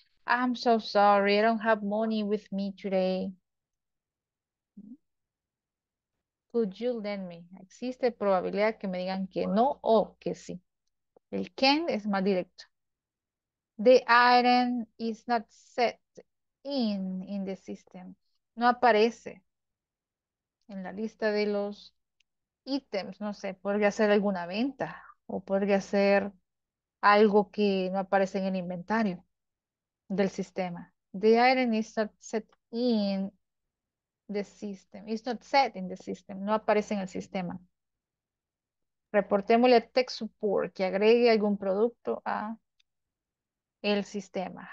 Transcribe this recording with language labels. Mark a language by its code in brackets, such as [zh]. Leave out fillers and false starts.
[en] I'm so sorry, I don't have money with me today. Could you lend me? [es] Existe probabilidad que me digan que no o que sí. El can es más directo. [en] The item is not set in the system. [es] No aparece en la lista de los ítems. No sé, podría ser alguna venta o podría ser algo que no aparece en el inventario del sistema. [en] The item is not set in the system. It's not set in the system. [es] No aparece en el sistema. Reportémosle a tech support que agregue algún producto a el sistema.